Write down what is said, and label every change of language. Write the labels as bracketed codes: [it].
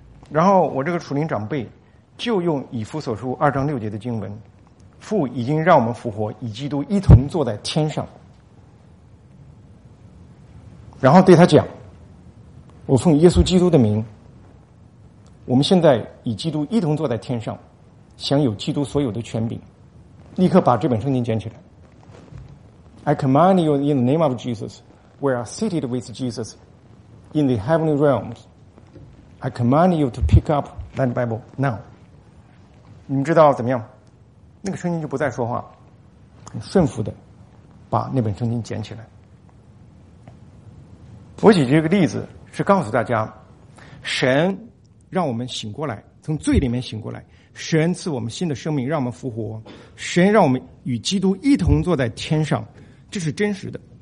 [zh] 然后我这个属灵长辈就用以弗所书二章六节的经文，父已经让我们复活，与基督一同坐在天上，然后对他讲，我奉耶稣基督的名，我们现在与基督一同坐在天上，享有基督所有的权柄，立刻把这本圣经捡起来。 [en] I command you in the name of Jesus, we are seated with Jesus in the heavenly realms. I command you to pick up that Bible now. [zh] 你们知道怎么样？那个声音就不再说话，很顺服的把那本圣经捡起来。我举这个例子是告诉大家，神让我们醒过来，从罪里面醒过来，神赐我们新的生命，让我们复活，神让我们与基督一同坐在天上，这是真实的。